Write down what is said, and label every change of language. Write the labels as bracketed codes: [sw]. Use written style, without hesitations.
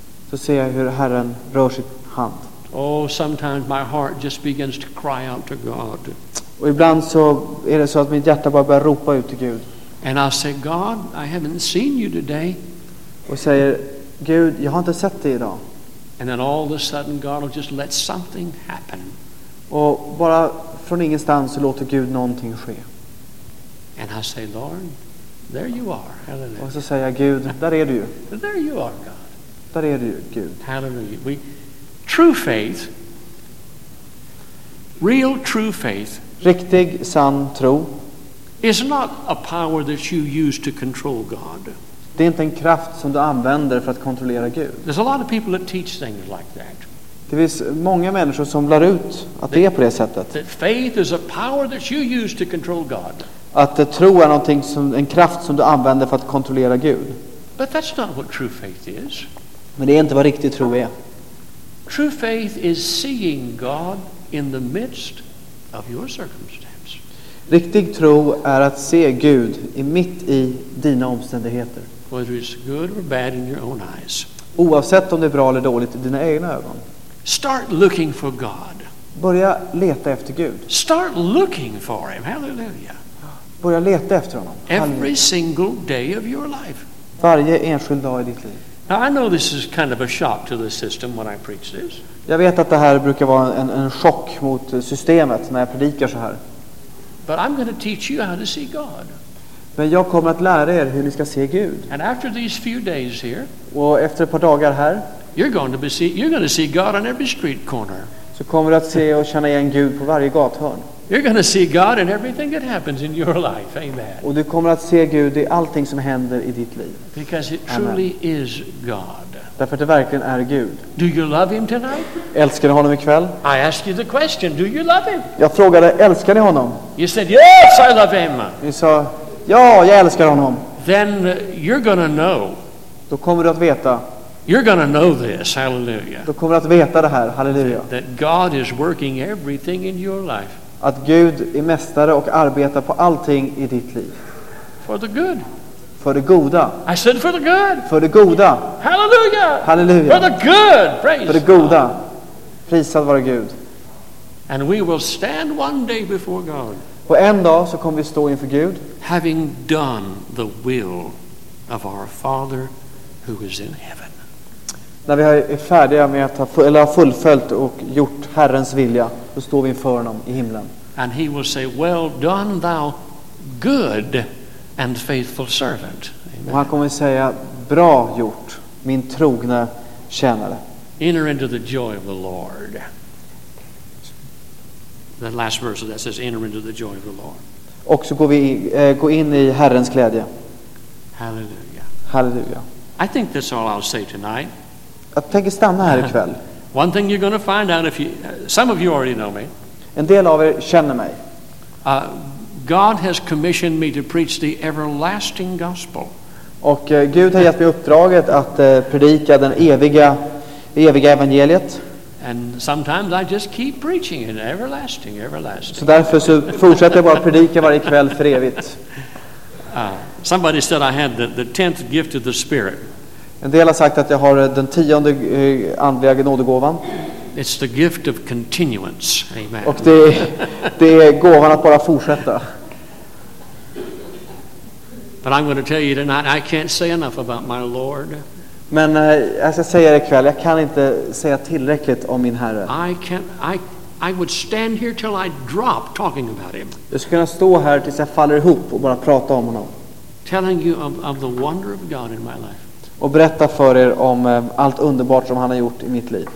[sv] Så ser jag hur Herren rör sitt hand. [en] Oh, sometimes my heart just begins to cry out to God. [sv] Och ibland så är det så att mitt hjärta bara börjar ropa ut till Gud. [en] And I say, God, I haven't seen you today. [sv] Och säger, Gud, jag har inte sett dig idag. [en] And then all of a sudden God will just let something happen. [sv] Och bara från ingenstans så låter Gud någonting ske. [en] And I say, Lord, there you are. Hallelujah. [sv] Och så säger jag, Gud, där är du ju. [en] There you are, God. [sv] Där är du ju, Gud. [en] Hallelujah. True faith. Real true faith. [sv] Riktig sann tro. [en] Is not a power that you use to control God. [sv] Det är inte en kraft som du använder för att kontrollera Gud. [en] There's a lot of people that teach things like that. [sv] Det finns många människor som lär ut att det är på det sättet. [en] That faith is a power that you use to control God. [sv] Att tro är någonting som en kraft som du använder för att kontrollera Gud. [en] But that's not what true faith is. [sv] Men det är inte vad riktig tro är. [en] True faith is seeing God in the midst of your circumstance. [sv] Riktig tro är att se Gud i mitt i dina omständigheter. [en] Whether it's good or bad in your own eyes. [sv] Oavsett om det är bra eller dåligt i dina egna ögon. [en] Start looking for God. [sv] Börja leta efter Gud. [en] Start looking for him. Hallelujah. [sv] Börja leta efter honom. [en] Every single day of your life. [sv] Varje enskild dag i ditt liv. [en] Now I know this is kind of a shock to the system when I preach this. [sv] Jag vet att det här brukar vara en chock mot systemet när jag predikar så här. [en] But I'm going to teach you how to see God. [sv] Men jag kommer att lära er hur ni ska se Gud. [en] And after these few days here, [sv] och efter ett par dagar här, [en] you're going to see God on every street corner. [sv] Så kommer du att se och känna igen Gud på varje gathörn. [en] You're going to see God in everything that happens in your life. Amen. [sv] Och du kommer att se Gud i allting som händer i ditt liv. [en] Because it truly is God. [sv] Därför att det verkligen är Gud. [en] Do you love him tonight? [sv] Älskar ni honom ikväll? [en] I ask you the question. Do you love him? [sv] Jag frågade, älskar ni honom? [en] You said, yes, I love him. [sv] Ni sa, ja, jag älskar honom. [en] Then you're going to know. [sv] Då kommer du att veta. [en] You're going to know this. Hallelujah. [sv] Då kommer du att veta det här. Hallelujah. [en] That God is working everything in your life. [sv] Att Gud är mästare och arbetar på allting i ditt liv. [en] For the good. [sv] För det goda. [en] I said for the good. [sv] För det goda. Halleluja. Halleluja. [en] For the good. Praise. [sv] För det goda. Prisad vare Gud. [en] And we will stand one day before God. [sv] Och en dag så kommer vi stå inför Gud. [en] Having done the will of our Father who is in heaven. [sv] När vi är färdiga med att ha fullföljt och gjort Herrens vilja, så står vi inför honom i himlen. [en] and he will say, well done thou good and faithful servant. [sv] Och han kommer säga, bra gjort, min trogna tjänare. [en] Enter into the joy of the Lord. That last verse that says, enter into the joy of the Lord. [sv] Och så går vi gå in i Herrens glädje. Hallelujah. Hallelujah. [en] I think that's all I'll say tonight. [sv] Jag tänker stanna här ikväll. [en] One thing you're going to find out, if you, some of you already know me. [sv] En del av er känner mig. [en] God has commissioned me to preach the everlasting gospel. [sv] Och Gud har gett mig uppdraget att predika den eviga evangeliet. [en] And sometimes I just keep preaching it, everlasting, everlasting. [sv] Så därför så fortsätter jag bara predika varje kväll för evigt. [en] Somebody said I had the 10th gift of the Spirit. [sv] En del har sagt att jag har den tionde andliga nådegåvan. [en] It's the gift of continuance. Amen. [sv] Och det är gåvan att bara fortsätta. [en] But I'm going to tell you tonight, I can't say enough about my Lord. [sv] Men jag ska säga det ikväll, jag kan inte säga tillräckligt om min Herre. [en] I would stand here till I drop talking about him. [sv] Jag skulle kunna stå här tills jag faller ihop och bara prata om honom. [en] Telling you of the wonder of God in my life. [sv] Och berätta för er om allt underbart som han har gjort i mitt liv.